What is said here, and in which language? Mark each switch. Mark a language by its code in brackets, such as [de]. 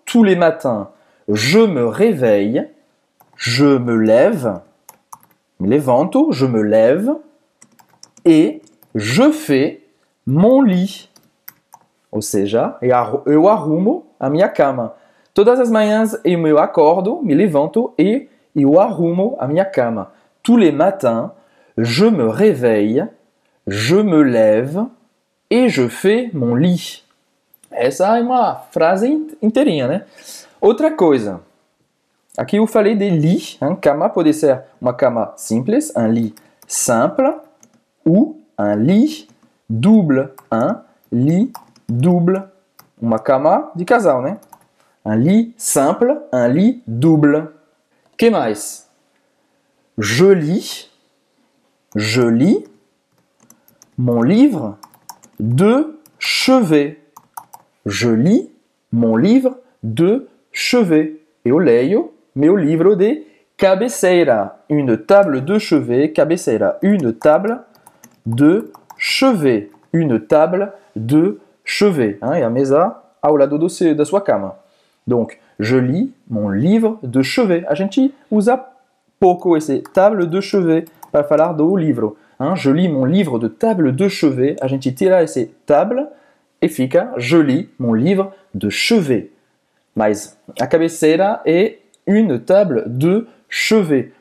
[fr] Tous les matins, je me réveille. Je me lève, [pt] me levanto, [fr] je me lève, et je fais mon lit. [pt] Ou seja, eu arrumo a minha cama. Todas as manhãs eu me acordo, me levanto, et eu arrumo a minha cama. [fr] Tous les matins, je me réveille, je me lève, et je fais mon lit. [pt] Essa é uma frase inteirinha, né? Outra coisa. Aqui eu falei de lit, hein? Cama pode ser uma cama simples, [fr] un lit simple, ou un lit double, [pt] un lit double. Uma cama de casal, né? [fr] Un lit simple, un lit double. [pt] Que mais? [fr] Je lis mon livre de chevet. Je lis mon livre de chevet. [pt] Eu leio meu livro de cabeceira, [fr] une table de chevet, [pt] cabeceira, une table de chevet, hein, e a mesa ao lado da sua cama. [fr] Donc, je lis mon livre de chevet. [pt] A gente usa pouco esse table de chevet para falar do livro. [fr] Hein, je lis mon livre de table de chevet. [pt] A gente tira esse table e fica, [fr] je lis mon livre de chevet. [pt] Mas a cabeceira é [fr] une table de chevet.